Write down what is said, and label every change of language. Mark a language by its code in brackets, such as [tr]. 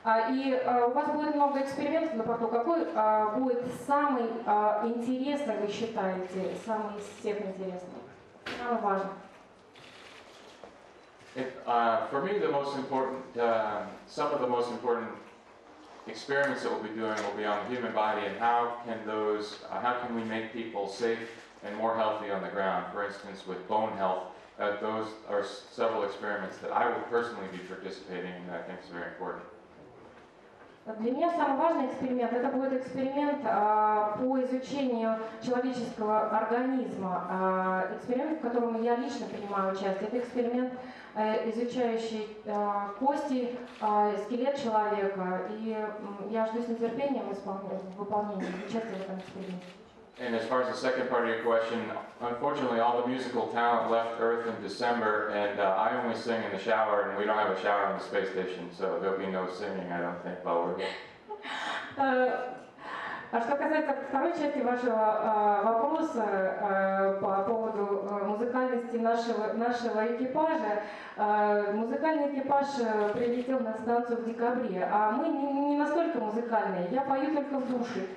[ru] И у вас будет много экспериментов на борту. Какой будет самый интересный, вы считаете, самый из всех интересных? Самый важный? [en] For me, the most important, some of the most important experiments that we'll be doing will be on the human body and how can we make people safe and more healthy on the ground, for instance, with bone health. Those are several experiments that I will personally be participating in, and I think it's very important. [ru] Для меня самый важный эксперимент – это будет эксперимент по изучению человеческого организма. Эксперимент, в котором я лично принимаю участие, это эксперимент, изучающий кости, скелет человека. И я жду с нетерпением выполнения участия в этом эксперименте. [en] And as far as the second part of your question, unfortunately, all the musical talent left Earth in December, and I only sing in the shower, and we don't have a shower on the space station, so there'll be no singing, I don't think, while we're here. [ru] А что касается второй части вашего вопроса по поводу музыкальности нашего экипажа, музыкальный экипаж прилетел на станцию в декабре, а мы не настолько музыкальные, я пою только в душе.